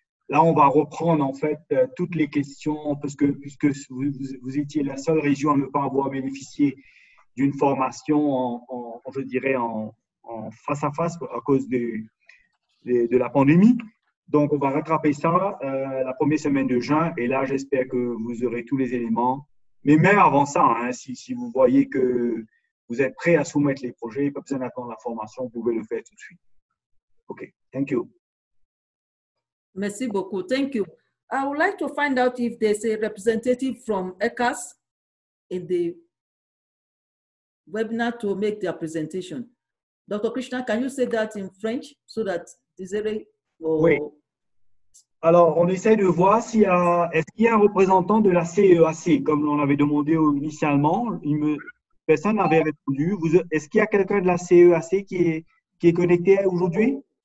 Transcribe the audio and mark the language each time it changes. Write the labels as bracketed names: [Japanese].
[French] Là, on va reprendre en fait toutes les questions, puisque vous étiez la seule région à ne pas avoir bénéficié d'une formation en face à face à cause de la pandémie. Donc, on va rattraper ça la première semaine de juin. Et là, j'espère que vous aurez tous les éléments. Mais même avant ça, si vous voyez que vous êtes prêt à soumettre les projets, pas besoin d'attendre la formation, vous pouvez le faire tout de suite. [English] OK, thank you. [French] Merci beaucoup. [English] Thank you. I would like to find out if there's a representative from ECAS in the webinar to make their presentation. Dr. Krishna, can you say that in French so that Desiree will... [French] Oui. Alors, on essaie de voir s'il y a un représentant de la CEAC, comme on avait demandé initialement. Personne n'avait répondu. Est-ce qu'il y a quelqu'un de la CEAC qui est connecté aujourd'hui?